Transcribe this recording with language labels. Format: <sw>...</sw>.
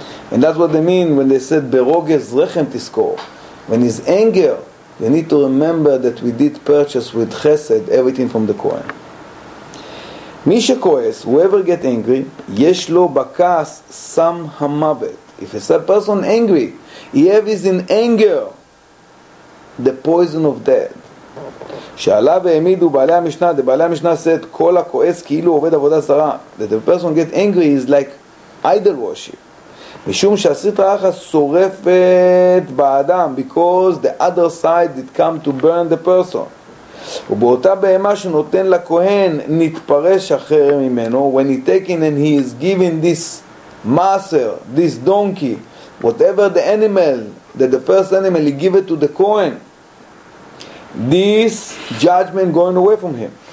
<en>And that's what they mean when they said Berogez Rechem Tiskor. When his anger, you need to remember that we did purchase with Chesed everything from the Kohen.</en> <he>Mi shekoes,</he> <en>whoever get angry,</en> <he>yesh lo bakas sam hamavet.</he> <en>If a person angry, he have his in anger, the poison of death.</en> <he>שעליו העמידו בעלי המשנה,</he> <en>the בעלי המשנה said,</en> <he>כל הכועס כאילו עובד עבודה זרה.</he> <en>That the person get angry is like idol worship.</en> <he>משום שהסטרה אחת שורפת באדם,</he> <en>because the other side did come to burn the person.</en> <he>ובאותה בהמה שנותן לכהן נתפרש אחר ממנו,</he> <en>when he taken and he is given this master, this donkey, whatever the animal, that the first animal he give it to the Kohen, this judgment going away from him.</en>